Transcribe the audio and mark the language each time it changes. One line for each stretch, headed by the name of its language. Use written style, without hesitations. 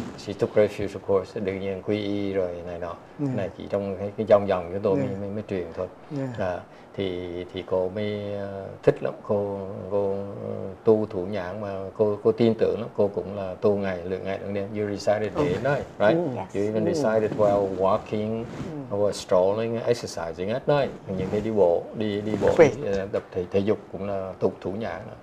English: She took refuge of course,
Vietnamese: đương nhiên quy y rồi này nọ, này chỉ trong cái dòng dòng chúng tôi mới truyền thôi. Thì cô mới thích lắm, cô tu thủ nhãn mà cô tin tưởng lắm, cô cũng là tu ngày lượng ngày lượng đêm.
English: You recited it at night, right? Yes. You even recited while walking or strolling, exercising at night.
Vietnamese: Những cái đi bộ tập thể dục cũng là tu thủ nhãn.